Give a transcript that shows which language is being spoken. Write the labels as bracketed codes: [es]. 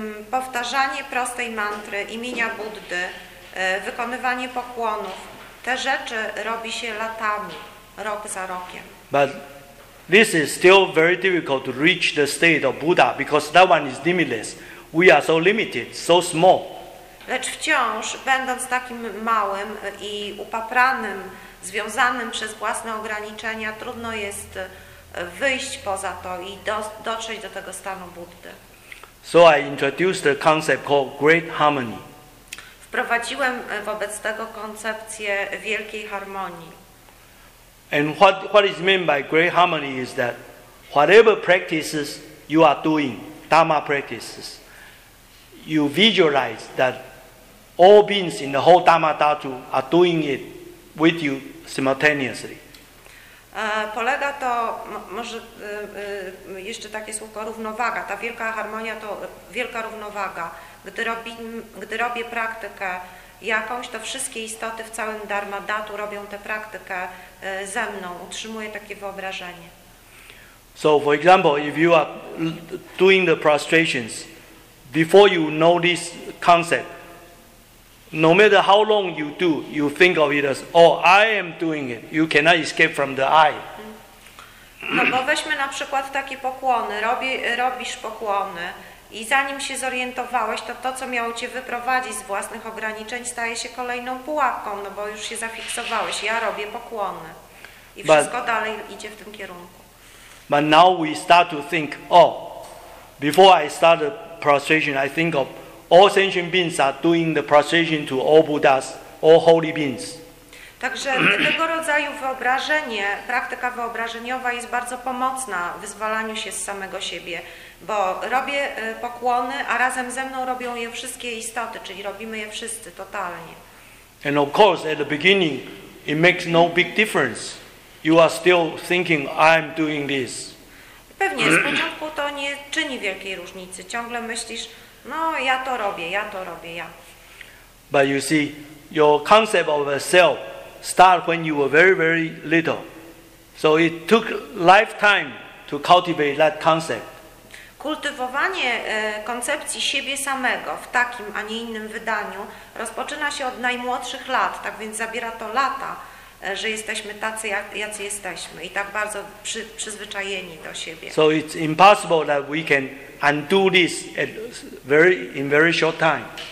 [pl] Powtarzanie prostej mantry imienia Buddy, wykonywanie pokłonów, te rzeczy robi się latami, rok za rokiem. [en] But this is still very difficult to reach the state of Buddha because that one is limitless. We are so limited, so small. [pl] Lecz wciąż, będąc takim małym i upapranym, związanym przez własne ograniczenia, trudno jest wyjść poza to i dotrzeć do tego stanu Buddy. [en] So I introduced the concept called Great Harmony. [pl] Wprowadziłem wobec tego koncepcję wielkiej harmonii. [en] And what is meant by Great Harmony is that whatever practices you are doing, Dharma practices, you visualize that all beings in the whole Dharma Dhatu are doing it with you simultaneously. [pl] Polega to, może jeszcze takie słówko, równowaga. Ta wielka harmonia to wielka równowaga. Gdy robię praktykę jakąś, to wszystkie istoty w całym Dharma Dhatu robią tę praktykę ze mną. Utrzymuję takie wyobrażenie. [en] So for example, if you are doing the prostrations, before you know this concept, no matter how long you do, you think of it as, oh, I am doing it. You cannot escape from the I. [pl] No bo weźmy na przykład takie pokłony. Robisz pokłony i zanim się zorientowałeś, to, co miało cię wyprowadzić z własnych ograniczeń, staje się kolejną pułapką, no bo już się zafiksowałeś. Ja robię pokłony. I wszystko [en] but, [pl] dalej idzie w tym kierunku. [en] But now we start to think, oh, before I start prostration, I think of all sentient beings are doing the prostration to all Buddhas, all holy beings. [pl] Także tego rodzaju wyobrażenie, praktyka wyobrażeniowa jest bardzo pomocna w wyzwalaniu się z samego siebie, bo robię pokłony, a razem ze mną robią je wszystkie istoty, czyli robimy je wszyscy totalnie. [en] And of course, at the beginning, it makes no big difference. You are still thinking, I'm doing this. [pl] Pewnie, z początku to nie czyni wielkiej różnicy. Ciągle myślisz, no ja to robię, ja to robię, ja. [en] But you see, your concept of a self started when you were very, very little. So it took lifetime to cultivate that concept. [pl] Kultywowanie koncepcji siebie samego w takim, a nie innym wydaniu rozpoczyna się od najmłodszych lat, tak więc zabiera to lata, że jesteśmy tacy, jacy jesteśmy i tak bardzo przyzwyczajeni do siebie. [en] So it's impossible that we can undo this in very short time.